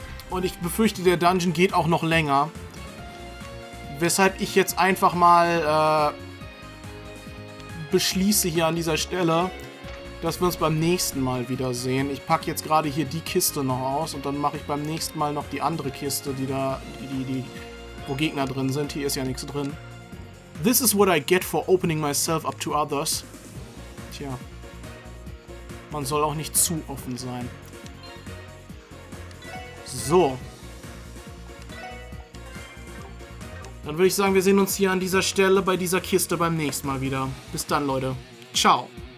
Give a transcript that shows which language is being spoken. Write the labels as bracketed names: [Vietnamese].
[German] Und ich befürchte, der Dungeon geht auch noch länger. Weshalb ich jetzt einfach mal beschließe hier an dieser Stelle, dass wir uns beim nächsten Mal wiedersehen. Ich packe jetzt gerade hier die Kiste noch aus und dann mache ich beim nächsten Mal noch die andere Kiste, die da, wo Gegner drin sind. Hier ist ja nichts drin. [English] This is what I get for opening myself up to others. [German] Tja. Man soll auch nicht zu offen sein. So. Dann würde ich sagen, wir sehen uns hier an dieser Stelle bei dieser Kiste beim nächsten Mal wieder. Bis dann, Leute. Ciao.